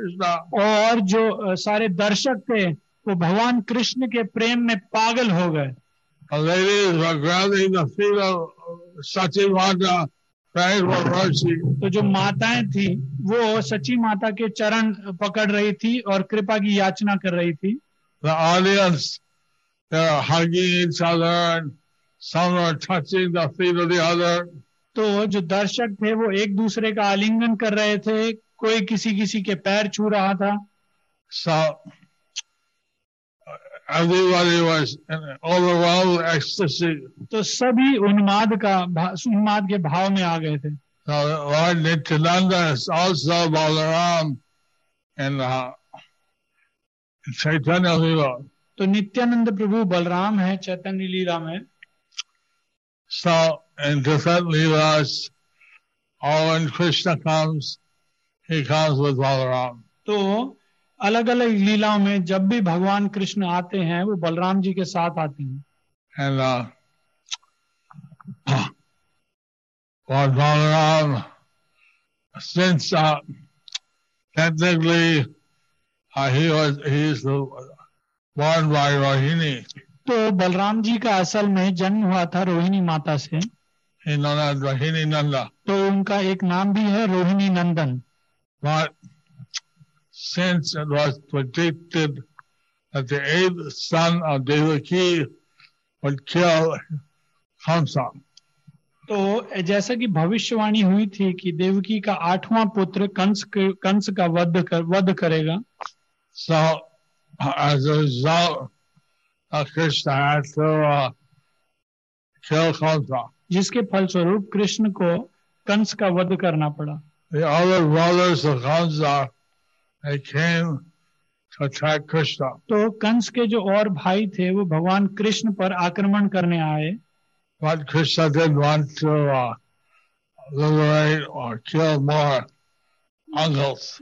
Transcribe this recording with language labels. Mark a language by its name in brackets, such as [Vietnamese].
[Hindi] और जो सारे दर्शक थे वो भगवान कृष्ण के प्रेम में पागल हो गए. [English] Ladies were grabbing the feet of Sachi Mata, praying for mercy. [Hindi] तो जो माताएं थी वो सची माता के चरण पकड़ रही थी और कृपा की याचना कर रही थी. [English] The audience, they were hugging each other, some were touching the feet of the other. [Hindi] तो जो दर्शक थे वो एक दूसरे का आलिंगन कर रहे थे, कोई किसी किसी के पैर छू रहा था. [English] Everybody was in overwhelmed ecstasy. [Hindi] तो सभी उन्माद के भाव में आ गए थे. [English] So Lord Nityananda is also Balaram and Chaitanya Leela. [Hindi] तो नित्यानंद प्रभु बलराम है चैतन्य लीला में. [English] So in different leelas, all when Krishna comes, he comes with Balaram. [Hindi] तो अलग अलग लीलाओं में जब भी भगवान कृष्ण आते हैं वो बलराम जी के साथ आते हैं. [English] And, Lord Balaram, since technically he's born by Rohini. [Hindi] तो बलराम जी का असल में जन्म हुआ था रोहिणी माता से. रोहिणी नंदा. तो उनका एक नाम भी है रोहिणी नंदन. [English] Since it was predicted that the eighth son of Devaki would kill Kamsa. [Hindi] तो जैसा कि भविष्यवाणी हुई थी कि देवकी का आठवां पुत्र कंस का वध करेगा. [English] So as a result, Krishna had to kill Kamsa. [Hindi] जिसके फलस्वरूप कृष्ण को कंस का वध करना पड़ा. [English] The other brothers of Kamsa, they came to attack Krishna. [Hindi] तो कंस के जो और भाई थे वो भगवान कृष्ण पर आक्रमण करने आए. [English] But Krishna didn't want to liberate or kill more uncles.